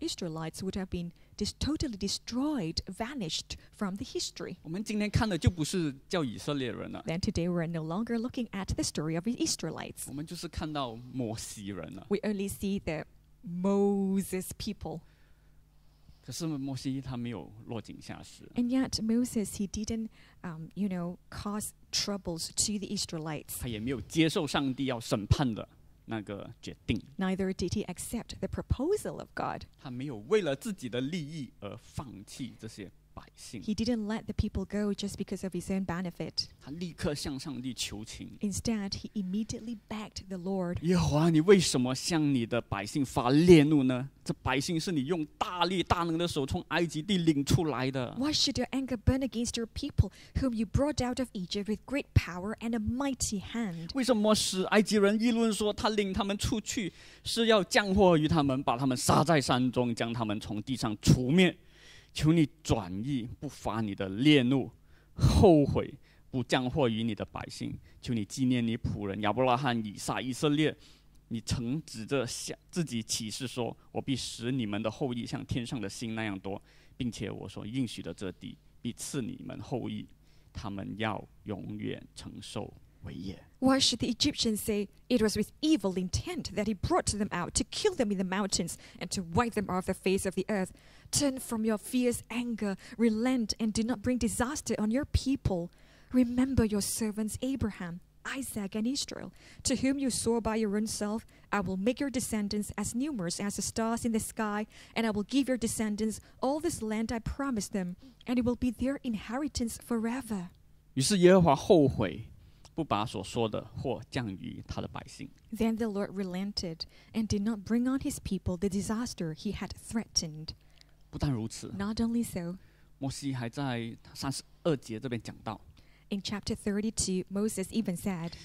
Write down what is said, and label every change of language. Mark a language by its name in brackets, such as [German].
[English] Israelites would have been totally destroyed, vanished from the history. [Chinese] 我们今天看的就不是叫以色列人了。 [English] Then today we're no longer looking at the story of the Israelites. [Chinese] 我们就是看到摩西人了。 [English] We only see the Moses people. [Chinese] 可是摩西他没有落井下石。 [English] And yet Moses, he didn't, cause troubles to the Israelites. [Chinese] 他也没有接受上帝要审判的。那个决定。 [English] Neither did he accept the proposal of God. [Chinese] 他没有为了自己的利益而放弃这些百姓。 [English] He didn't let the people go just because of his own benefit. [Chinese] 他立刻向上帝求情。 [English] Instead, he immediately begged the Lord. [Chinese] 耶和华，你为什么向你的百姓发烈怒呢？这百姓是你用大力大能的手从埃及地领出来的。 [English] Why should your anger burn against your people, whom you brought out of Egypt with great power and a mighty hand? [Chinese] 为什么使埃及人议论说他领他们出去是要降祸于他们，把他们杀在山中，将他们从地上除灭？求你转意，不发你的烈怒，后悔不降祸于你的百姓。求你纪念你仆人亚伯拉罕、以撒、以色列。你曾指着自己起誓说：“我必使你们的后裔像天上的星那样多，并且我所应许的这地必赐你们后裔，他们要永远承受为业。” [English] Why should the Egyptians say it was with evil intent that he brought them out to kill them in the mountains and to wipe them off the face of the earth? Turn from your fierce anger, relent, and do not bring disaster on your people. Remember your servants Abraham. Isaac and Israel, to whom you swore by your own self, I will make your descendants as numerous as the stars in the sky, and I will give your descendants all this land I promised them, and it will be their inheritance forever. [Chinese] 于是耶和华后悔，不把所说的祸降于他的百姓。 [English] Then the Lord relented and did not bring on his people the disaster he had threatened. [Chinese] 不但如此， [English] Not only so, [Chinese] 摩西还在三十二节这边讲到， [English] In chapter 32, Moses even said,